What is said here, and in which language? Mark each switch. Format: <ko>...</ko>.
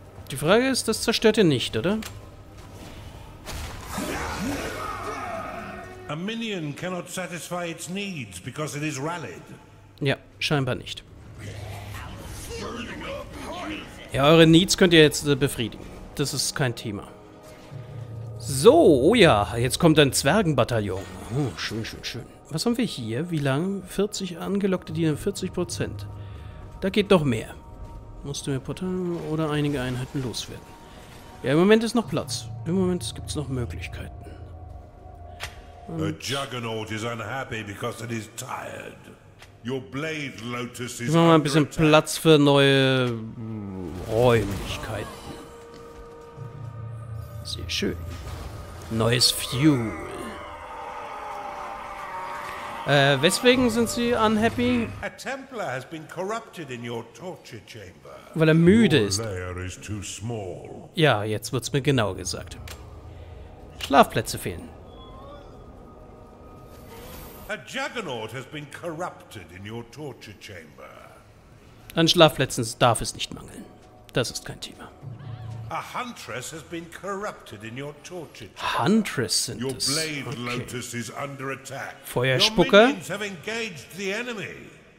<de>Die Frage ist, das zerstört ihr nicht, oder?</de> <en>A minion cannot satisfy its needs because it is rallied.</en> <de>Ja, scheinbar nicht. Ja, eure Needs könnt ihr jetzt befriedigen. Das ist kein Thema. So, oh ja, jetzt kommt ein Zwergenbataillon. Oh, schön, schön, schön. Was haben wir hier? Wie lange? 40 angelockte Diener, 40%. Da geht doch mehr. Musst du mir Portal oder einige Einheiten loswerden. Ja, im Moment ist noch Platz. Im Moment gibt es noch Möglichkeiten.</de> <en>Und a Juggernaut is unhappy because it is tired. Your blade lotus is.</en> <de>Mal ein bisschen Platz für neue Räumlichkeiten. Sehr schön. Neues Fuel. Weswegen sind sie unhappy?</de> <en>A Templar has been corrupted in your torture chamber.</en> <de>Weil er müde ist.</de> <en>Your lair is too small.</en> <de>Ja, jetzt wird's mir genau gesagt. Schlafplätze fehlen.</de> <en>A Juggernaut has been corrupted in your torture chamber.</en> <de>An Schlafplätzen darf es nicht mangeln. Das ist kein Thema.</de> <en>A Huntress has been corrupted in your torture chamber.</en> <de>Huntress sind es.</de> <en>Your blade lotus is under attack.</en> <de>Feuerspucker.</de> <en>Your minions have engaged the enemy.</en>